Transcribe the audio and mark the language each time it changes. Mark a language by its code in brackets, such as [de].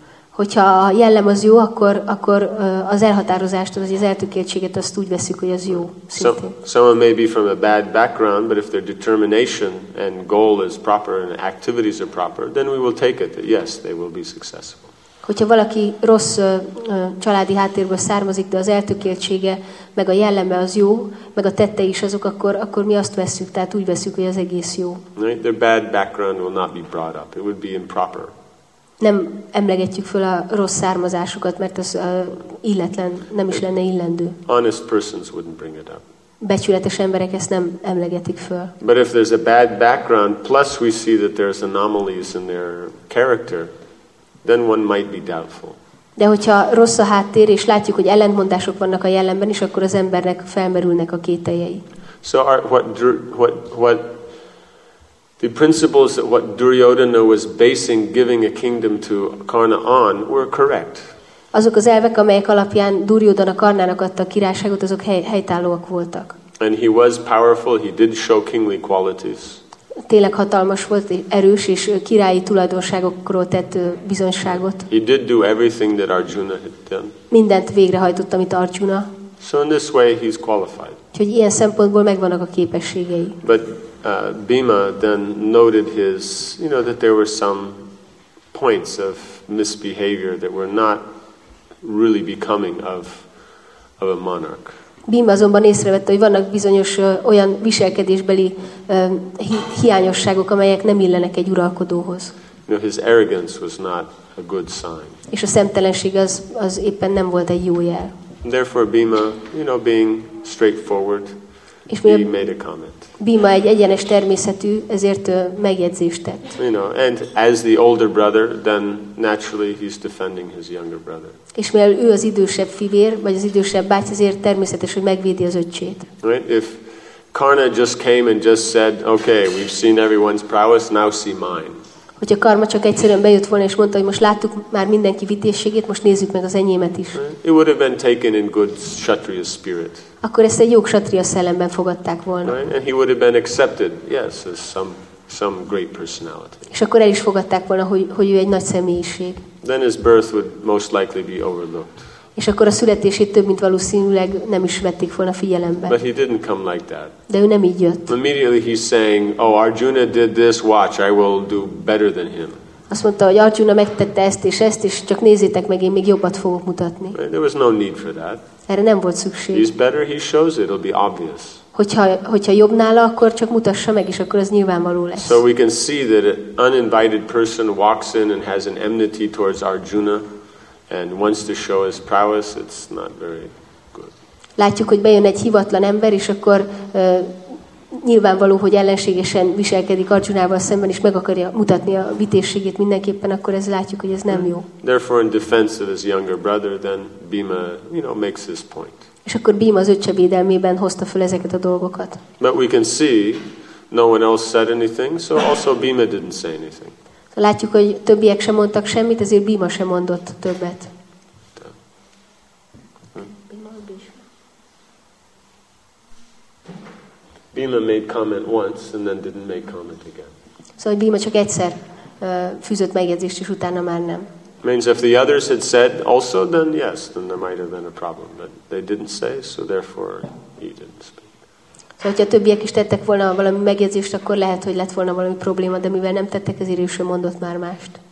[hu] Hogyha a jellem az jó, akkor az elhatározást, vagy az eltökéltséget azt úgy veszük, hogy az jó. [en] Someone may be from a bad background, but if their determination and goal is proper and activities are proper, then we will take it that yes, they will be successful. [hu] Hogyha valaki rossz családi háttérből származik, de az eltökéltsége, meg a jelleme az jó, meg a tette is azok, akkor mi azt veszük, tehát úgy veszük, hogy az egész jó. [en] Right? Their bad background will not be brought up. It would be improper. [hu] nem emlegetjük föl a rossz származásukat, mert az illetlen, nem is lenne illendő. [en] Honest persons wouldn't bring it up. [hu] Becsületes emberek ezt nem emlegetik föl. [en] But if there's a bad background, plus we see that there's anomalies in their character, then one might be doubtful. [hu] De hogyha rossz a háttér, és látjuk, hogy ellentmondások vannak a jellemben is, akkor az embernek felmerülnek a kételjei. [en] So what the principles that what Duryodhana was basing giving a kingdom to Karna on were correct. [hu] Azok az elvek, amelyek alapján Duryodhana Karnának adta a királyságot, azok helytállóak voltak. [en] And he was powerful, he did show kingly qualities. [hu] Tényleg hatalmas volt, erős és királyi tulajdonságokról tett bizonyságot. [en] He did do everything that Arjuna had done. [hu] Mindent végrehajtott, amit Arjuna. [en] So in this way he's qualified. [hu] Úgyhogy ilyen szempontból megvannak a képességei. [en] But Bhima then noted his, you know, that there were some points of misbehavior that were not really becoming of a monarch. [hu] Bhima azonban észrevette, hogy vannak bizonyos olyan viselkedésbeli hiányosságok, amelyek nem illenek egy uralkodóhoz. [en] You know, his arrogance was not a good sign. [hu] És a szemtelenség az éppen nem volt egy jó jel. [en] Therefore Bhima, you know, being straightforward, he made a comment. [hu] Bhima egy egyenes természetű, ezért megjegyzést tett. [en] You know, and as the older brother, then naturally he's defending his younger brother. [hu] És mivel ő az idősebb fivér, vagy az idősebb báty, ezért természetes, hogy megvédi az öcsét. [en] Right? If Karna just came and just said, okay, we've seen everyone's prowess, now see mine. [hu] Hogyha Karma csak egyszerűen bejött volna és mondta, hogy most láttuk már mindenki vitézségét, most nézzük meg az enyémet is. [en] It would have been taken in good kshatriya spirit. [hu] Akkor ezt egy jó kshatriya szellemben fogadták volna. [en] Right? And he would have been accepted, yes, as some great personality. [hu] És akkor el is fogadták volna, hogy ő egy nagy személyiség. [en] Then his birth would most likely be overlooked. [hu] És akkor a születését több mint valószínűleg nem is vették volna figyelembe. [en] But he didn't come like that. [hu] De ő nem így jött. [en] Immediately he's saying, oh, Arjuna did this, watch, I will do better than him. [hu] Azt mondta, hogy Arjuna megtette ezt, és csak nézzétek meg, én még jobbat fogok mutatni. [en] There was no need for that. [hu] Erre nem volt szükség. [en] He's better, he shows it, it'll be obvious. [hu] Hogyha jobb nála, akkor csak mutassa meg, és akkor az nyilvánvaló lesz. [en] So we can see that an uninvited person walks in and has an enmity towards Arjuna, and wants to show his prowess, it's not very good. [hu] Látjuk, hogy bejön egy hivatlan ember, és akkor nyilvánvaló, hogy ellenségesen viselkedik Arjunával szemben, és meg akarja mutatni a vitézségét mindenképpen, akkor ez látjuk, hogy ez nem jó. [en] Therefore, in defense of his younger brother, then Bhima, you know, makes his point. [hu] És akkor Bhima az öccse védelmében hozta föl ezeket a dolgokat. [en] But we can see, no one else said anything, so also Bhima didn't say anything. [hu] Látjuk, hogy többiek sem mondtak semmit, ezért Bhima sem mondott többet. [en] Bhima made comment once, and then didn't make comment again. [hu] Szóval Bhima csak egyszer fűzött megjegyzést, és utána már nem. [en] Means if the others had said also, then yes, then there might have been a problem, but they didn't say, so therefore he didn't speak. [hu] Szóval, hogyha többiek is tettek volna valami megjegyzést, akkor lehet, hogy lett volna valami probléma, de mivel nem tettek, ezért is ő mondott már mást.